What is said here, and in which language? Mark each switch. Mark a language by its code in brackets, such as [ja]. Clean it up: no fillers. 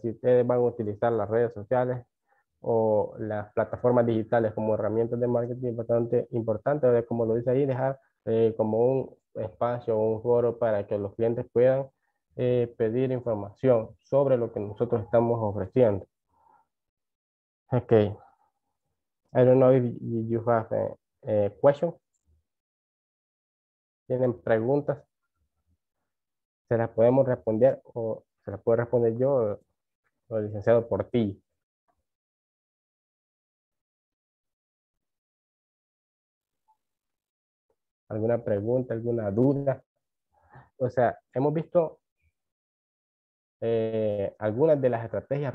[es] Si ustedes van a utilizar las redes sociales o las plataformas digitales como herramientas de marketing, es bastante importante, ¿verdad? Como lo dice ahí, dejar como un espacio o un foro para que los clientes puedan pedir información sobre lo que nosotros estamos ofreciendo. [en] Okay. I don't know if you have a question. [es] ¿Tienen preguntas? ¿Se las podemos responder o se las puedo responder yo o el licenciado por ti? ¿Alguna pregunta, alguna duda? O sea, hemos visto algunas de las estrategias.